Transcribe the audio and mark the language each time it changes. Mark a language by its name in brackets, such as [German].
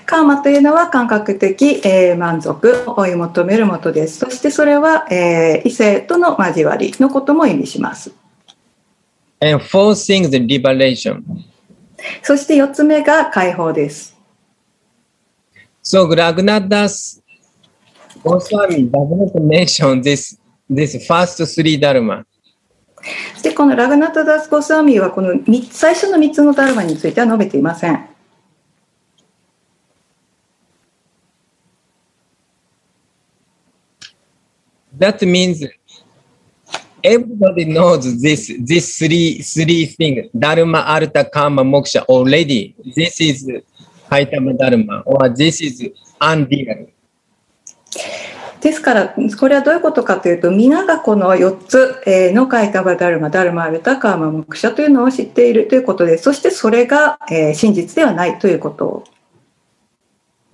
[Japanese] カーマというのは感覚的、満足を追い求めるもとです。そしてそれは、異性との交わりのことも意味します。 [English] And fourth thing is liberation. [Japanese] そして4つ目が解放です。 [English] So, Raghunath Das. Goswami does not mention this first three dharma. [Japanese] で、このラグナタダスゴスワミはこの最初の3つのダルマについては述べていません。 [English] That means everybody knows this three things: dharma, artha, karma, moksha already. This is Haitabha Dharma or this is undeal. [Japanese] ですからこれはどういうことかというと皆がこの4つのカイタバダルマダルマアルタカーマモクシャというのを知っているということでそしてそれが真実ではないということを